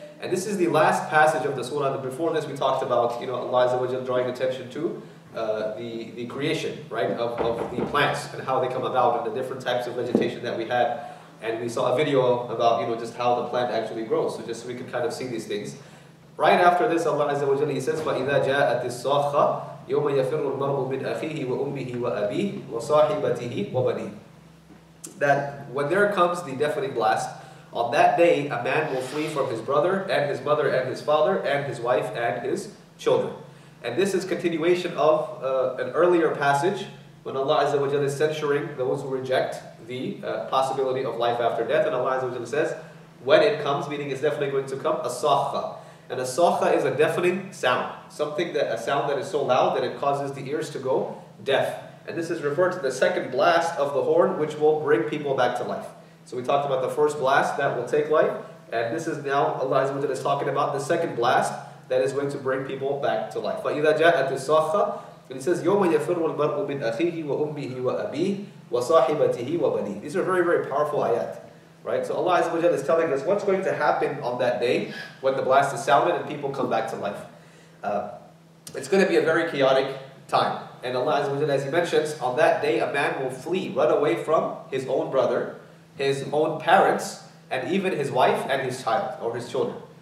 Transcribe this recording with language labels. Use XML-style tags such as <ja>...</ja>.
<en>And this is the last passage of the surah. That before this we talked about, you know, Allah Azza wa Jal drawing attention to the creation, right, of the plants and how they come about and the different types of vegetation that we have. And we saw a video about, you know, just how the plant actually grows. So just so we could kind of see these things. Right after this, Allah Azza wa Jal, he says,</en> <ar>فَإِذَا جَاءَتِ السَّاخَّةَ يَوْمَ يَفِرُّ الْمَرْءُ مِنْ أَخِيهِ وَأُمِّهِ وَأَبِيهِ وَصَاحِبَتِهِ وَبَنِيهِ.</ar> <en>That when there comes the deafening blast, on that day a man will flee from his brother and his mother and his father and his wife and his children. And this is continuation of an earlier passage when Allah Azza wa Jal is censuring those who reject the possibility of life after death. And Allah Azza wa Jal says, when it comes, meaning it's definitely going to come, asakha. And asakha is a deafening sound. A sound that is so loud that it causes the ears to go deaf. And this is referred to the second blast of the horn, which will bring people back to life. So we talked about the first blast that will take life. And this is now, Allah Azza wa Jal is talking about the second blast that is going to bring people back to life.</en> <ar>فَإِذَا جَاءَتِ السَّاخَّةَ.</ar> <en>And it says,</en> <ar>يَوْمَ يَفِرُّ الْمَرْءُ مِنْ أَخِيهِ وَأُمِّهِ وَأَبِيهِ وَصَاحِبَتِهِ وَبَنِيهِ.</ar> <en>These are very, very powerful ayat. Right? So Allah Azza wa Jal is telling us what's going to happen on that day when the blast is sounded and people come back to life. It's going to be a very chaotic time. And Allah Azza wa Jal, as he mentions, on that day a man will flee, run away from his own brother, his own parents, and even his wife and his child, or his children.</en>